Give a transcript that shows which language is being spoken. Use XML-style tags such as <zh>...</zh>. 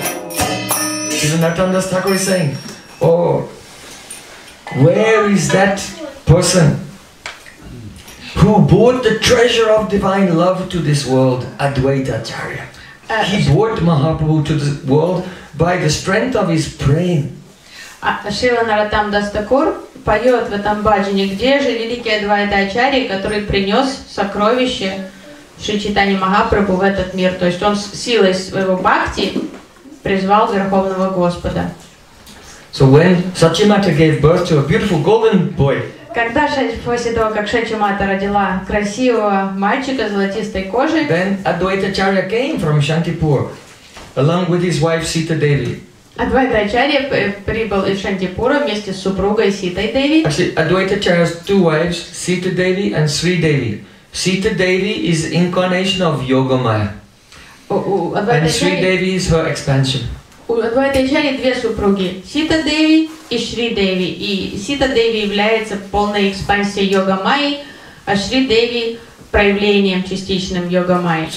<en>Thakur is saying, oh, where is that person who brought the treasure of divine love to this world, Advaita Acharya? He brought Mahaprabhu to the world by the strength of his praying.</en> <ru>Шрила Наратамдас Такур поет в этом баджане, где же великий Адвайта Ачарья, который принес сокровище Шри Чайтанья Махапрабху в этот мир. То есть он силой своего бхакти призвал Верховного Господа.</ru> <en>So when Satchimata gave birth to a beautiful golden boy,</en> <ru>когда после того, как Шачимата родила красивого мальчика золотистой кожи,</ru> <en>then Advaita Acharya came from Shantipur along with his wife Sita Devi.</en> <ru>Advaita Acharya прибыл из Шантипура вместе с супругой Ситой Деви.</ru> <en>Actually, Advaita Acharya has two wives, Sita Devi and Sri Devi. Sita Devi is the incarnation of Yoga Maya, and Sri Devi is her expansion.</en> <ru>У Адвайты Ачарьи две супруги, Сита Деви и Шри Деви. И Сита Деви является полной экспансией Йога Майи, а Шри Деви проявлением частичным Йога Майи.</ru>